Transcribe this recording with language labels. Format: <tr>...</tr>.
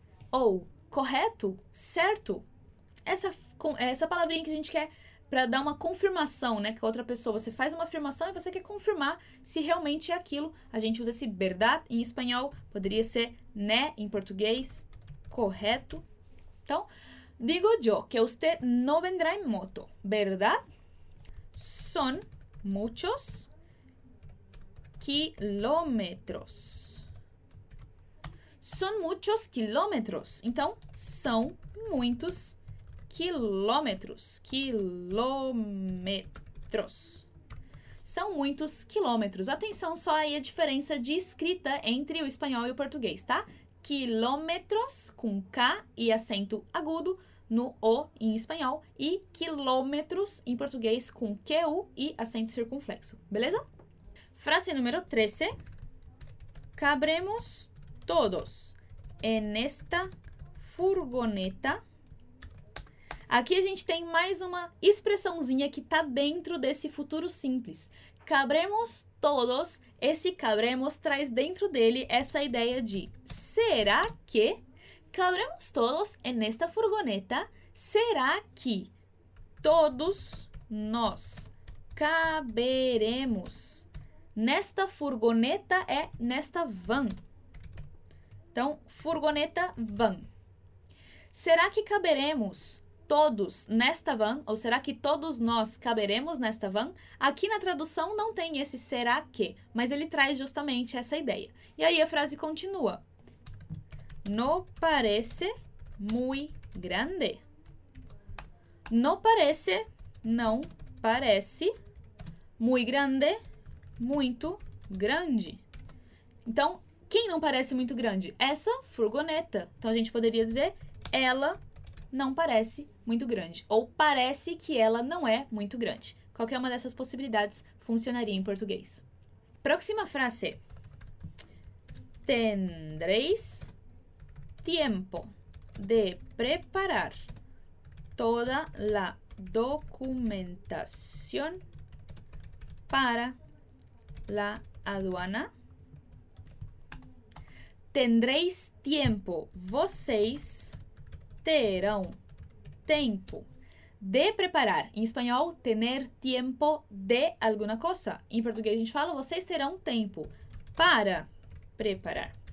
<pt>Ou, correto? Certo? Essa palavrinha que a gente quer para dar uma confirmação, né? Que outra pessoa, você faz uma afirmação e você quer confirmar se realmente é aquilo. A gente usa esse verdad em espanhol, poderia ser né em português, correto. Então,</pt> <es>digo yo que usted no vendrá en moto, ¿verdad? Son muchos kilómetros. Son muchos kilómetros.</es> <pt>Então, são muitos quilômetros, quilômetros. São muitos quilômetros. Atenção só aí a diferença de escrita entre o espanhol e o português, tá? Quilômetros com K e acento agudo no O em espanhol e quilômetros em português com QU e acento circunflexo, beleza? Frase número 13.</pt> <es>Cabremos todos en esta furgoneta.</es> <pt>Aqui a gente tem mais uma expressãozinha que está dentro desse futuro simples.</pt> <es>Cabremos todos.</es> <pt>Esse cabremos traz dentro dele essa ideia de será que?</pt> <es>Cabremos todos en esta furgoneta.</es> <pt>Será que todos nós caberemos nesta furgoneta? É nesta van. Então, furgoneta, van. Será que caberemos todos nesta van? Ou será que todos nós caberemos nesta van? Aqui na tradução não tem esse será que, mas ele traz justamente essa ideia. E aí a frase continua.</pt> <es>No parece muy grande. No parece,</es> <pt>não parece,</pt> <es>muy grande,</es> <pt>muito grande. Então, quem não parece muito grande? Essa furgoneta. Então a gente poderia dizer ela não parece muito grande, ou parece que ela não é muito grande. Qualquer uma dessas possibilidades funcionaria em português. Próxima frase.</pt> <es>Tendréis tiempo de preparar toda la documentación para la aduana. Tendréis tiempo,</es> <pt>vocês terão tempo de preparar. Em espanhol,</pt> <es>tener tiempo de alguna cosa.</es> <pt>Em português, a gente fala, vocês terão tempo para preparar.</pt>